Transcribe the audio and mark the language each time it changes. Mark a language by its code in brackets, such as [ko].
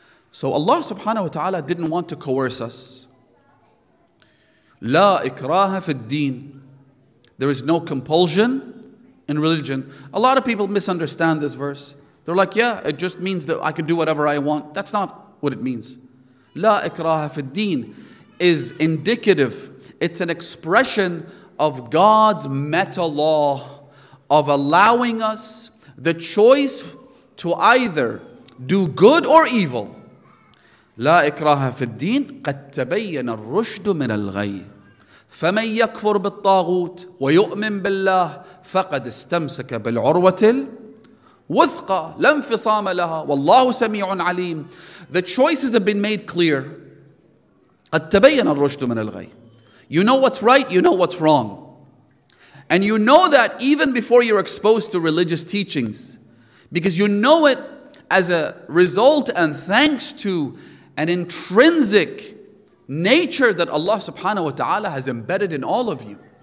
[en] So Allah subhanahu wa ta'ala didn't want to coerce us. [ar] لا إكراه في الدين. [en] There is no compulsion in religion. A lot of people misunderstand this verse. They're like, yeah, it just means that I can do whatever I want. That's not what it means. [ar] لا إكراه في الدين [en] is indicative. It's an expression of God's meta law of allowing us the choice to either do good or evil. [ar] لا إكراه في الدين قد تبين الرشد من الغي فمن يكفر بالطاغوت ويؤمن بالله فقد استمسك بالعروة الوثقى لا انفصام لها والله سميع عليم. [en] The choices have been made clear. [ar] قد تبين الرشد من الغي. [en] You know what's right, you know what's wrong. And you know that even before you're exposed to religious teachings, because you know it as a result and thanks to an intrinsic nature that Allah subhanahu wa ta'ala has embedded in all of you.